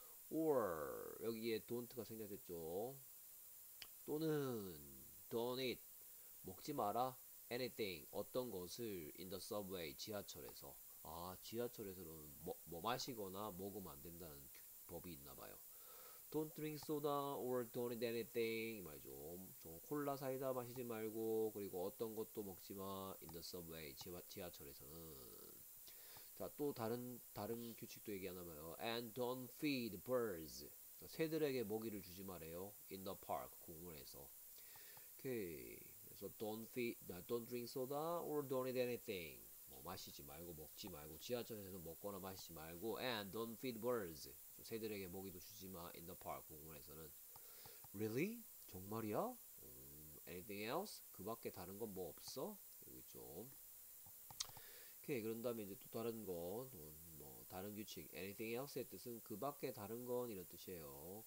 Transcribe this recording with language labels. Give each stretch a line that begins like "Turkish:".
Korean: Or 여기에 don't가 생략됐죠. 또는
English: don't eat.
Korean: 먹지 마라. Anything. 어떤 것을
English: in the subway
Korean: 지하철에서. 아, 지하철에서는 뭐 마시거나 먹으면 안 된다는 법이 있나 봐요.
English: Don't drink soda or don't eat anything.
Korean: 이 말이죠. 콜라 사이다 마시지 말고, 그리고 어떤 것도 먹지 마.
English: In the subway,
Korean: 지하철에서는. 자, 또 다른 규칙도 얘기하나 봐요.
English: And don't feed birds.
Korean: 새들에게 먹이를 주지 말아요.
English: In the park,
Korean: 공원에서.
English: Okay.
Korean: 그래서
English: don't drink soda or don't eat anything.
Korean: 뭐 마시지 말고, 먹지 말고, 지하철에서 먹거나 마시지 말고,
English: and don't feed birds.
Korean: 새들에게 먹이도 주지 마.
English: In the park
Korean: 공원에서는.
English: Really?
Korean: 정말이야?
English: Anything else?
Korean: 그 밖에 다른 건뭐 없어? 여기 좀. 오케이. 그런 다음에 이제 또 다른 거, 뭐 다른 규칙.
English: Anything else
Korean: 의 뜻은 그 밖에 다른 건 이런 뜻이에요.